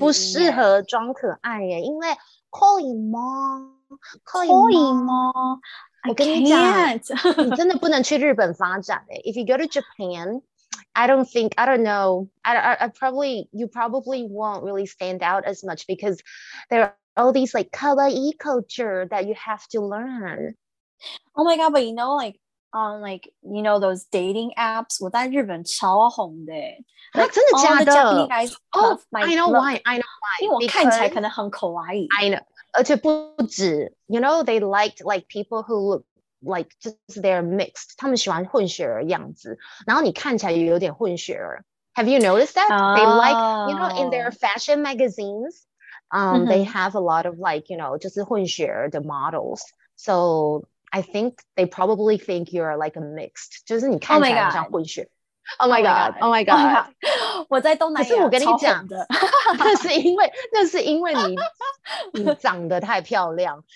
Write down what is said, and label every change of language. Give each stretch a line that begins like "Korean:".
Chinese: 不适合装可爱耶，因为可以吗？可以吗？我跟你讲，你真的不能去日本发展耶。
English: If you go to Japan, I probably won't really stand out as much because there are all these like kawaii culture that you have to learn. Oh my god, but you know, like on like, you know, those dating apps,
Chinese: 我在日本超红的。
English: Like,
Chinese: 真的假的？
English: All the Japanese guys love my look. I know why.
Chinese: 因为我看起来可能很可爱。
English: I know.
Chinese: 而且不止
English: you know, they liked like people who look like just they're mixed.
Chinese: 他们喜欢混血儿样子，然后你看起来也有点混血儿。
English: Have you noticed that? Oh. They like, you know, in their fashion magazines, mm-hmm. they have a lot of like, you know,
Chinese: 就是混血儿的
English: models. So I think they probably think you're like a mixed.
Chinese: 就是你看起来很像混血儿。
English: Oh my god.
Chinese: 我在东南亚，可是我跟你讲的，那是因为你长得太漂亮。